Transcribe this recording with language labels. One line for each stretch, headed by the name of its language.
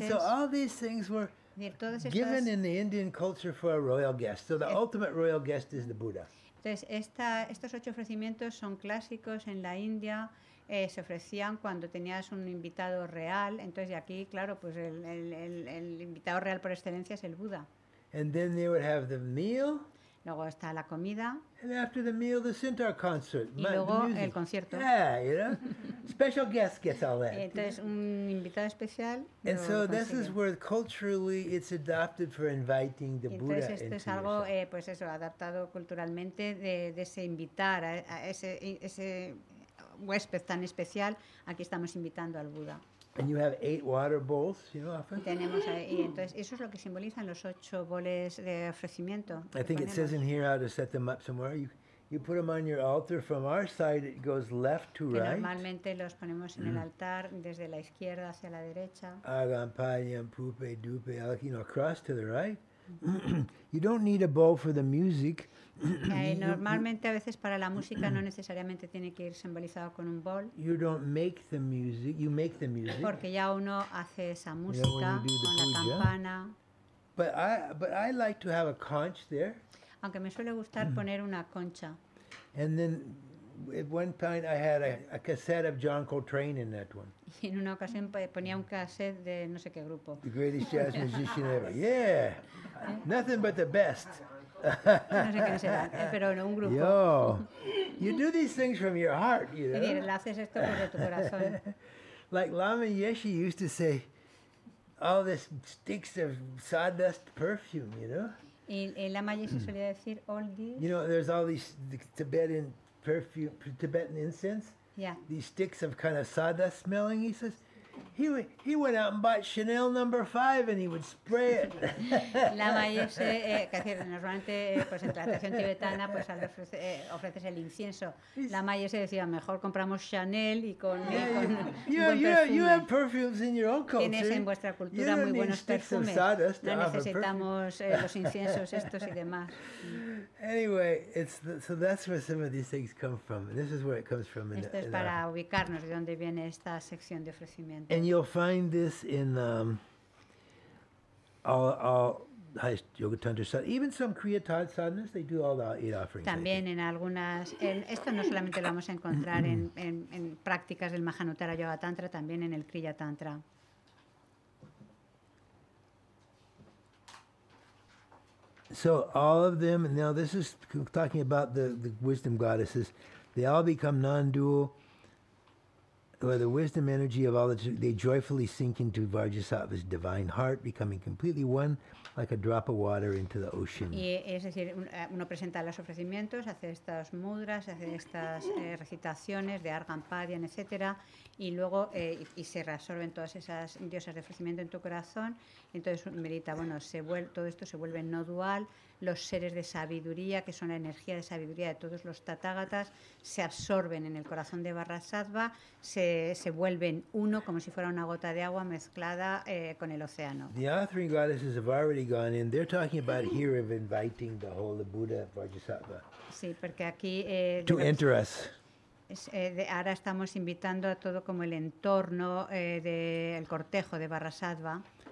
English: And so all these things were given in the Indian culture for a royal guest. So the ultimate royal guest is the Buddha.
Spanish: Entonces, estos ocho ofrecimientos son clásicos en la India, se ofrecían cuando tenías un invitado real, entonces aquí, claro, pues el invitado real por excelencia es el Buda.
English: And then they would have the meal.
Spanish: Luego está la comida.
English: And after the meal, the sitar concert.
Spanish: Y luego el concierto.
English: Yeah, you know? Special guest gets all that.
Spanish: Entonces, un invitado especial.
English: And so this is where culturally it's adopted for inviting the Buddha into
Spanish: yourself. Entonces esto es algo, pues eso, adaptado culturalmente de ese invitar a ese huésped tan especial a que estamos invitando al Buda.
English: And you have 8 water bowls, you know, often.
Spanish: Tenemos ahí, entonces eso es lo que simbolizan los 8 bowls de ofrecimiento.
English: I think it says in here how to set them up somewhere. You put them on your altar. From our side, it goes left to right.
Spanish: Normalmente los ponemos en el altar desde la izquierda hacia la derecha.
English: Agam payam pupe dupe, you know, across to the right. You don't need a bowl for the music.
Spanish: Normalmente a veces para la música no necesariamente tiene que ir simbolizado con un bol.
English: You don't make the music, you make the music.
Spanish: Porque ya uno hace esa música con la campana.
English: But I like to have a conch there.
Spanish: Aunque me suele gustar poner una concha.
English: And then at one point I had a cassette of John Coltrane in that one.
Spanish: Y en una ocasión ponía un cassette de no sé qué grupo.
English: The greatest jazz musician ever. Yeah. ¿Eh? Nothing but the best.
Spanish: Pero no un grupo. Yo.
English: You do these things from your heart, you know.
Spanish: Y le haces esto por tu corazón.
English: Like Lama Yeshe used to say, all this sticks of sawdust perfume, you know.
Spanish: Y Lama Yeshe solía decir,
English: all these. You know, there's all these Tibetan perfume, Tibetan incense. Yeah. These sticks of kind of sawdust smelling, he says. He went out and bought Chanel number 5 and he would spray it.
Spanish: Lama Yeshe, que normalmente pues en la tradición tibetana pues ofreces el incienso. Lama Yeshe decía, mejor compramos Chanel y con buen perfume.
English: You have perfumes in your own culture.
Spanish: Tienes en vuestra cultura muy buenos perfumes. No necesitamos los inciensos estos y demás.
English: Anyway, so that's where some of these things come from. This is where it comes from.
Spanish: Esto es para ubicarnos de dónde viene esta sección de ofrecimiento.
English: And you'll find this in all yoga tantra, even some kriya sadhanas, they do all the 8 offerings.
Spanish: También en algunas, esto no solamente lo vamos a encontrar en prácticas del Mahanuttara Yoga Tantra, también en el Kriya Tantra.
English: So all of them, now this is talking about the wisdom goddesses, they all become non-dual. Well, the wisdom energy of all they joyfully sink into Vajrasattva's divine heart, becoming completely one, like a drop of water into the ocean.
Spanish: Y es decir, uno presenta los ofrecimientos, hace estas mudras, hace estas recitaciones de Argan, Padian, etcétera, y luego y se reabsorben todas esas diosas de ofrecimiento en tu corazón. Entonces medita, bueno, todo esto se vuelve no dual. Los seres de sabiduría, que son la energía de sabiduría de todos los tathagatas, se absorben en el corazón de Vajrasattva, se vuelven uno, como si fuera una gota de agua mezclada con el océano.
English: The offering goddesses have already gone in. They're talking about here of inviting the whole of Buddha Vajrasattva.
Spanish: Sí, porque aquí
English: to enter us.
Spanish: Ahora estamos invitando a todo como el entorno del cortejo de Vajrasattva.